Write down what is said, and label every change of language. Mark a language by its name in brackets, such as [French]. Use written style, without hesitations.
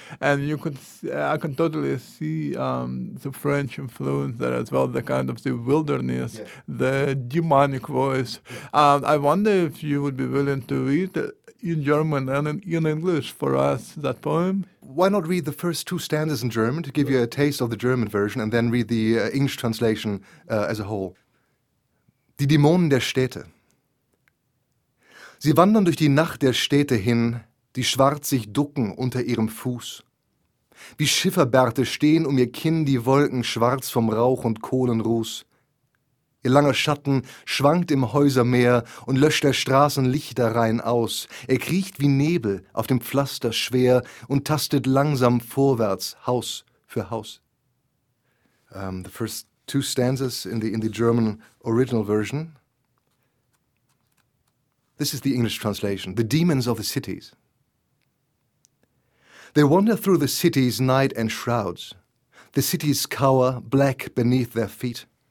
[English] And I can totally see the French influence there as well, the kind of the wilderness, the demonic voice. I wonder if you would be willing to read it in German and in English for us, that poem. Why not read the first two stanzas in German to give you a taste of the German version and then read the English translation as a whole. [German] Die Dämonen der Städte. Sie wandern durch die Nacht der Städte hin, die schwarz sich ducken unter ihrem Fuß. Wie Schifferbärte stehen um ihr Kinn die Wolken schwarz vom Rauch und Kohlenruß. Ihr langer Schatten schwankt im Häusermeer und löscht der Straßen Lichterreihen aus. Er kriecht wie Nebel auf dem Pflaster schwer und tastet langsam vorwärts, Haus für Haus. [English] The first two stanzas in the German original version. This is the English translation. The demons of the cities. They wander through the cities night and shrouds. The cities cower black beneath their feet.